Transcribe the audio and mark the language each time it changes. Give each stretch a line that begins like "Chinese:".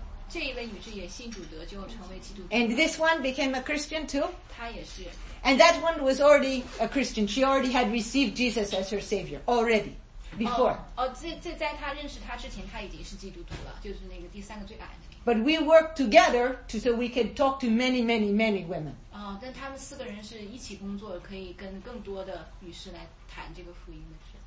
Chinese: 这一位女士也信主德，就成为基督徒。
English: And this one became a Christian too.
Chinese: 她也是。
English: And that one was already a Christian. She already had received Jesus as her Savior already before.
Chinese: 这在她认识他之前，她已经是基督徒了，就是那个第三个最矮的。
English: But we worked together to, so we could talk to many, many, many women.
Chinese: 但他们四个人是一起工作，可以跟更多的女士来谈这个福音的事。